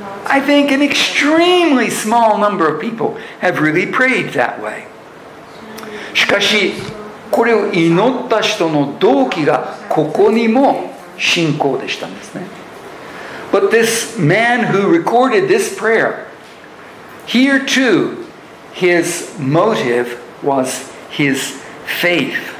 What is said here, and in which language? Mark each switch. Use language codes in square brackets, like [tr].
[en] I think an extremely small number of people have really prayed that way. [ja] しかしこれを祈った人の動機がここにも信仰でしたんですね。 [en] But this man who recorded this prayer, here too his motive was his faith.